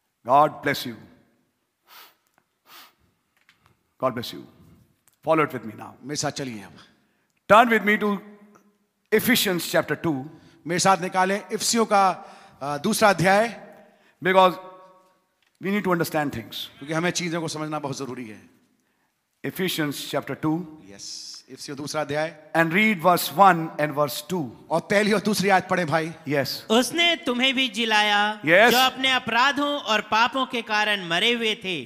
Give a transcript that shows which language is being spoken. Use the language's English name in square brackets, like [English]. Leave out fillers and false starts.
[English] God bless you. God bless you. Follow it with me now. [Hindi] मेरे साथ चलिए. अब [English] Turn with me to Ephesians chapter 2. [Hindi] मेरे साथ निकाले इफिसियों का दूसरा अध्याय. [English] Because we need to understand things. [Hindi] क्योंकि हमें चीजों को समझना बहुत जरूरी है. [English] Ephesians chapter 2. [Hindi] Yes. इफिसियों दूसरा अध्याय. [English] And read verse 1 and verse 2. [Hindi] और पहली और दूसरी आयत पढ़ें भाई. [English] Yes. [Hindi] उसने तुम्हें भी जिलाया. [English] Yes. [Hindi] जो अपने अपराधों और पापों के कारण मरे हुए थे.